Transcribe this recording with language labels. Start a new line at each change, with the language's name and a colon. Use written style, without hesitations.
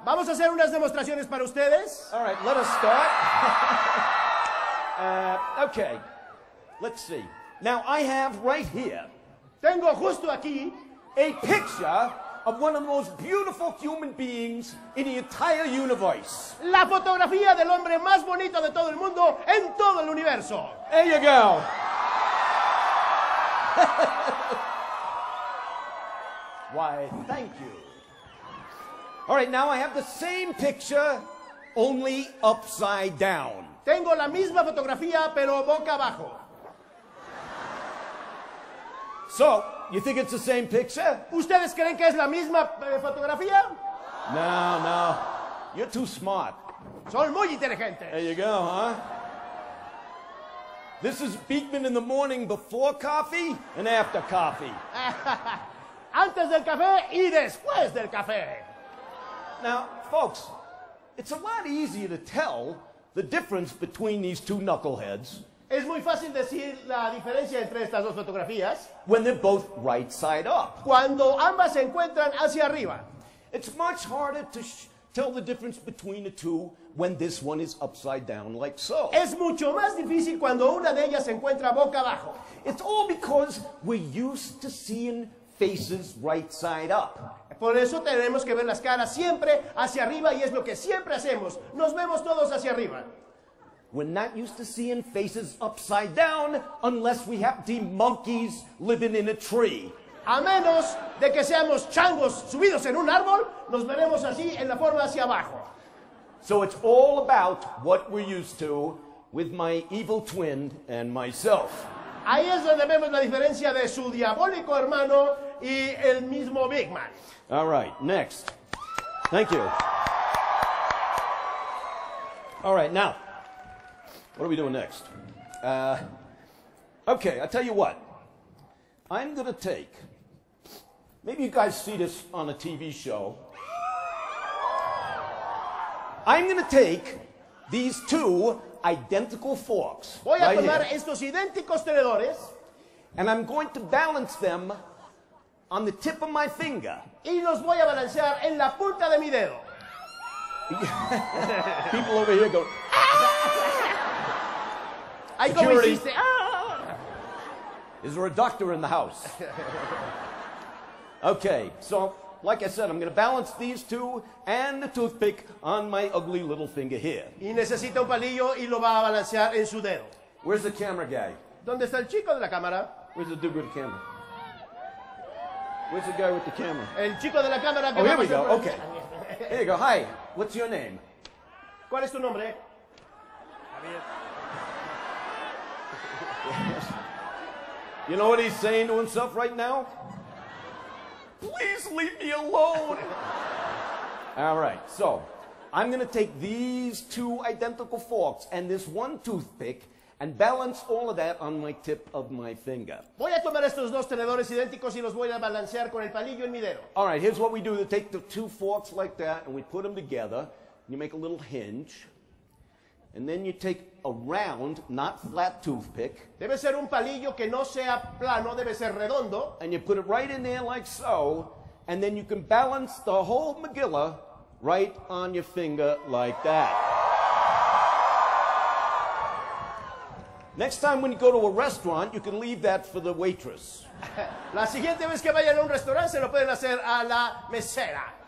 Spanish: Vamos a hacer unas demostraciones para ustedes.
English: All right. Let us start. Okay. Let's see. Now I have right here.
Spanish: Tengo justo aquí
English: a picture of one of the most beautiful human beings in the entire universe.
Spanish: La fotografía del hombre más bonito de todo el mundo en todo el universo.
English: There you go. Why, thank you. All right, now I have the same picture, only upside down.
Spanish: Tengo la misma fotografía, pero boca abajo.
English: So, you think it's the same picture?
Spanish: ¿Ustedes creen que es la misma fotografía?
English: No. You're too smart.
Spanish: Son muy inteligentes.
English: There you go, huh? This is Beakman in the morning before coffee and after coffee.
Spanish: Antes del café y después del café.
English: Now, folks, it's a lot easier to tell the difference between these two knuckleheads.
Spanish: Es muy fácil decir la diferencia entre estas dos fotografías.
English: When they're both right side up.
Spanish: Cuando ambas se encuentran hacia arriba.
English: It's much harder to tell the difference between the two when this one is upside down like so.
Spanish: Es mucho más difícil cuando una de ellas se encuentra boca abajo.
English: It's all because we're used to seeing faces right side up.
Spanish: Por eso tenemos que ver las caras siempre hacia arriba y es lo que siempre hacemos. Nos vemos todos hacia arriba.
English: We're not used to seeing faces upside down unless we happen to be monkeys living in a tree.
Spanish: A menos de que seamos changos subidos en un árbol, nos veremos así en la forma hacia abajo.
English: So it's all about what we're used to with my evil twin and myself.
Spanish: Ahí es donde vemos la diferencia de su diabólico hermano y el mismo Beakman.
English: All right, next. Thank you. All right, now, what are we doing next? Okay, I'll tell you what. I'm going to take... Maybe you guys see this on a TV show. I'm going to take these two identical forks.
Spanish: Voy a tomar right estos idénticos tenedores.
English: And I'm going to balance them on the tip of my finger.
Spanish: Y los voy a balancear en la punta de mi dedo.
English: People over here go...
Spanish: Ay, ¿cómo hiciste?
English: Is there a doctor in the house? Okay, so, like I said, I'm going to balance these two and the toothpick on my ugly little finger here.
Spanish: Y necesita un palillo y lo va a balancear en su dedo.
English: Where's the camera guy?
Spanish: ¿Dónde está el chico de la cámara?
English: Where's the dude with the camera? Where's the guy with the camera?
Spanish: El chico de la cámara.
English: Oh, here we go, okay. Here you go, hi, what's your name?
Spanish: ¿Cuál es tu nombre? Javier.
English: You know what he's saying to himself right now? Please leave me alone. All right, so I'm going to take these two identical forks and this one toothpick and balance all of that on my tip of my finger.
Spanish: Voy a tomar estos dos tenedores idénticos y los voy a balancear con el palillo en mi dedo.
English: All right, here's what we do. We take the two forks like that and we put them together. You make a little hinge. And then you take a round, not flat toothpick.
Spanish: Debe ser un palillo que no sea plano, debe ser redondo.
English: And you put it right in there like so, and then you can balance the whole Megillah right on your finger like that. Next time when you go to a restaurant, you can leave that for the waitress.
Spanish: La siguiente vez que vayan a un restaurante, se lo pueden hacer a la mesera.